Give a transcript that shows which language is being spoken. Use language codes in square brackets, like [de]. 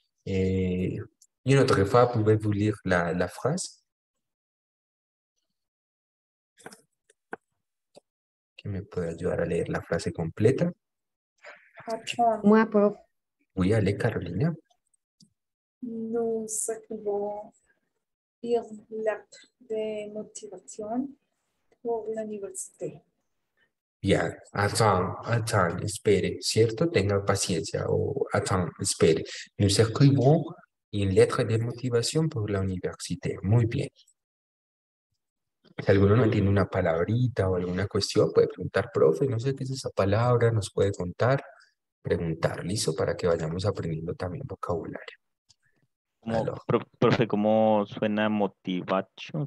[fr] Une autre fois, pouvez-vous lire la phrase? [es] ¿Qué me puede ayudar a leer la frase completa? [fr] Moi, prof. Oui, allez, Carolina. Nous écrivons une lettre de motivation pour l'université. [es] Bien, [fr] attends, [es] espere, ¿cierto? Tenga paciencia. [fr] Oh, attends, [es] espere. [fr] Nous écrivons une lettre de motivation pour l'université. [es] Muy bien. Si alguno no tiene una palabrita o alguna cuestión, puede preguntar, profe, no sé qué es esa palabra, nos puede contar, preguntar, listo, para que vayamos aprendiendo también vocabulario. ¿Cómo, profe, cómo suena motivación?